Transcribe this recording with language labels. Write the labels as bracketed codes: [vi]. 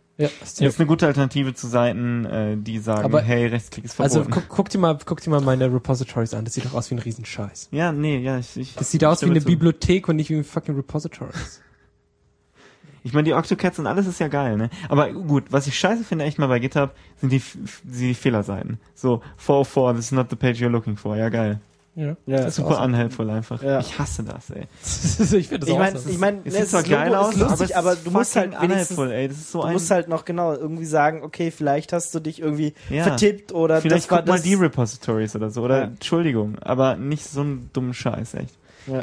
[de] Ja, das ist eine gute Alternative zu Seiten, die sagen, aber hey, Rechtsklick ist verboten. Also guck dir mal meine Repositories an, das sieht doch aus wie ein Riesenscheiß. Ja, nee, ja. Ich das sieht aus wie eine Bibliothek und nicht wie ein fucking Repositories. Ich meine, die Octocats und alles ist ja geil, ne? Aber gut, was ich scheiße finde echt mal bei GitHub, sind die Fehlerseiten. [en] So, 404, this is not the page you're looking for. [de] Ja, geil. Ja, ja, das ist super awesome. Unhelpful einfach. Ja. Ich hasse das, ey. Ich finde das auch awesome. Es sieht zwar geil aus, ist lustig, aber du musst halt unhelpful, ey. Das ist so du musst halt noch genau irgendwie sagen, okay, vielleicht hast du dich irgendwie vertippt oder vielleicht das guck mal die Repositories oder so. Oder Entschuldigung, aber nicht so einen dummen Scheiß, echt. Ja.